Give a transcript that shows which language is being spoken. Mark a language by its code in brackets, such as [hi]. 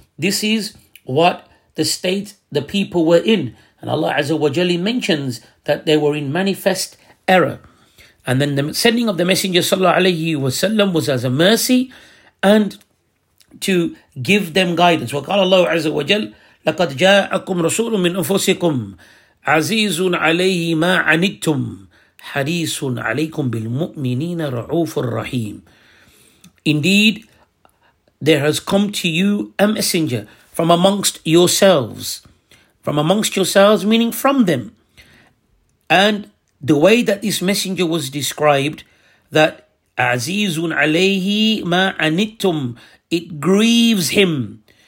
[en] This is what the state the people were in. And Allah Azza wa Jalla mentions that they were in manifest error. And then the sending of the Messenger Sallallahu Alaihi Wasallam was as a mercy and to give them guidance. [ar] وقال الله عز وجل لقد جاءكم رسول من أنفسكم عزيز عليه ما عنتم حريص عليكم بالمؤمنين رعوف الرحيم. [en] Indeed, there has come to you a messenger from amongst yourselves. From amongst yourselves, meaning from them. And the way that this messenger was described, that [ar] عَزِيزٌ عَلَيْهِ مَا عَنِتُّمْ, [en] it grieves him.